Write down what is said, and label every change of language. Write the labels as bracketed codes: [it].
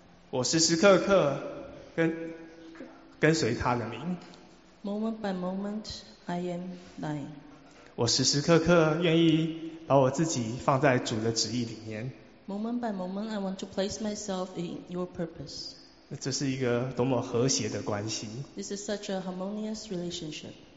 [zh] 我时时刻刻跟随他的名。 [en] Moment by moment, I am thine. [zh] 我时时刻刻愿意把我自己放在主的旨意里面。 [en] Moment by moment, I want to place myself in your purpose. [zh] 这是一个多么和谐的关系。 [en] This is such a harmonious relationship.